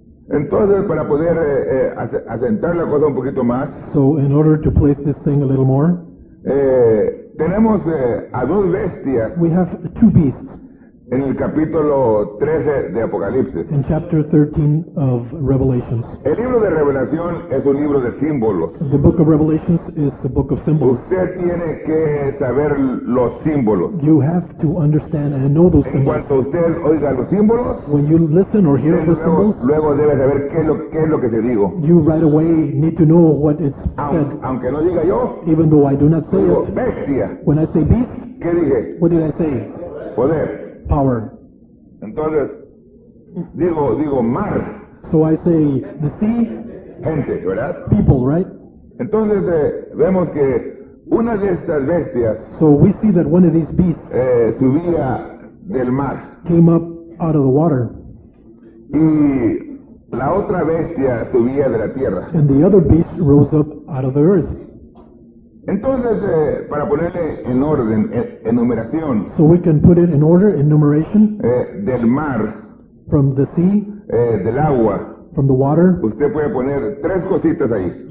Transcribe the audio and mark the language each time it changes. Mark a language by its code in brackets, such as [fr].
[es] Entonces, para poder asentar la cosa un poquito más. [en] So, in order to place this thing a little more. [es] Tenemos a dos bestias. [en] We have two beasts. [es] En el capítulo 13 de Apocalipsis. [en] In chapter 13 of Revelations. [es] El libro de Revelación es un libro de símbolos. [en] The book of Revelations is a book of symbols. [es] Usted tiene que saber los símbolos. [en] You have to understand and know those symbols. [es] En cuanto usted oiga los símbolos. [en] When you listen or hear the symbols. [es] Luego debe saber qué es lo que te digo. [en] You right away need to know what it's said. [es] Aunque no diga yo. [en] Even though I do not say [es] digo, [en] it. [es] Bestia. [en] When I say beast. [es] ¿Qué dije? [en] What did I say? [es] Poder. [en] Power. [es] Entonces, digo mar. [en] So I say the sea. [es] Gente, ¿verdad? [en] People, right? [es] Entonces vemos que una de estas bestias. [en] So we see that one of these beasts. [es] Subía del mar. [en] Came up out of the water. [es] Y la otra bestia subía de la tierra. [en] And the other beast rose up out of the earth. [es] Entonces, para ponerle en orden, enumeración. [en] So we can put it in order, enumeration. [es] Del mar. [en] From the sea. [es] Del agua. [en] From the water. [es] Usted puede poner tres cositas ahí.